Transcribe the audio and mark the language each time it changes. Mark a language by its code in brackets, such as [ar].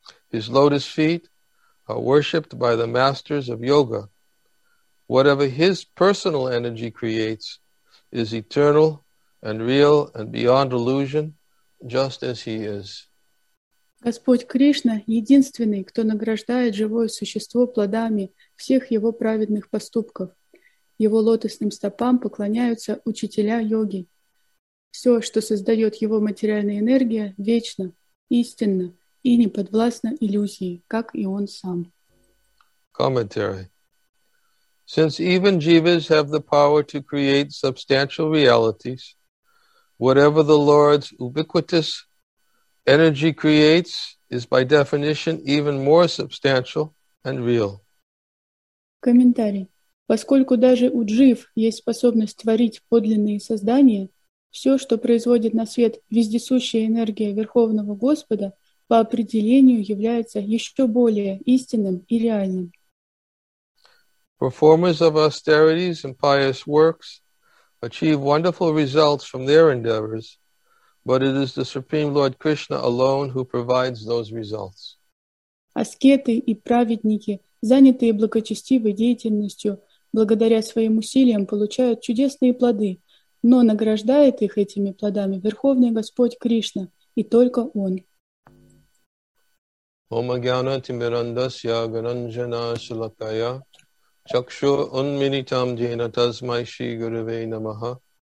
[en] His lotus feet are worshipped by the masters of yoga. Whatever his personal energy creates is eternal and real and beyond illusion, just as he is. [ru] Господь Кришна – единственный, кто награждает живое существо плодами всех его праведных поступков. Его лотосным стопам поклоняются учителя йоги. Все, что создает его материальная энергия, вечно, истинно и неподвластно иллюзии, как и он сам. [en] Commentary. Since even jivas have the power to create substantial realities, whatever the Lord's ubiquitous energy creates is by definition even more substantial and real. [ru] Комментарий. Поскольку даже у джив есть способность творить подлинные создания, все, что производит на свет вездесущая энергия Верховного Господа, по определению является еще более истинным и реальным. [en] Performers of austerities and pious works achieve wonderful results from their endeavors, but it is the Supreme Lord Krishna alone who provides those results. [ru] Аскеты и праведники, занятые благочестивой деятельностью, благодаря своим усилиям получают чудесные плоды, но награждает их этими плодами Верховный Господь Кришна, и только Он. [sa] Ома гьяна тимирандасья гаранжана шалакая Чакшу унминитам джена тасмай ши гуруве намаха.